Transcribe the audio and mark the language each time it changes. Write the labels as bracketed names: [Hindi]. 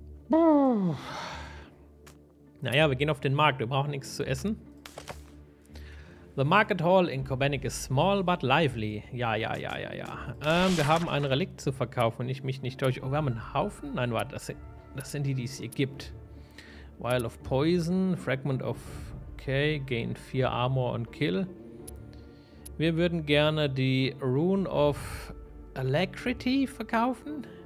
[German] Naja, wir gehen auf den Markt. Wir brauchen nichts zu essen. [English] The Market Hall in Kobenik is small but lively. [German] Ja. Wir haben ein Relikt zu verkaufen und ich mich nicht täusche. Oh, wir haben einen Haufen? Nein, warte, das sind die es hier gibt. Vial of Poison, Fragment of... Okay, gain 4 Armor und Kill. Wir würden gerne die Rune of Alacrity verkaufen.